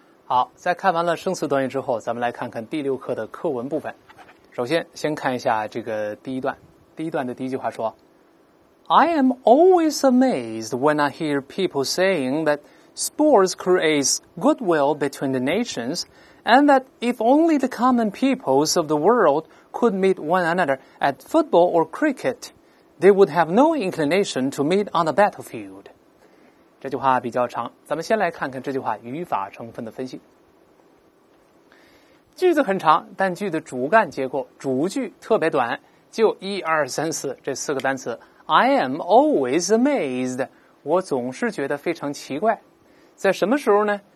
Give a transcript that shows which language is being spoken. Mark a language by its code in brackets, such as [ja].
[zh] 好，在看完了生词短语之后，咱们来看看第六课的课文部分。首先，先看一下这个第一段。第一段的第一句话说 [en] I am always amazed when I hear people saying that sports creates goodwill between the nations and that if only the common peoples of the world could meet one another at football or cricket, they would have no inclination to meet on the battlefield. [zh] 这句话比较长，咱们先来看看这句话语法成分的分析。句子很长，但句的主干结构主句特别短，就一二三四这四个单词。 [en] I am always amazed， [zh] 我总是觉得非常奇怪。在什么时候呢？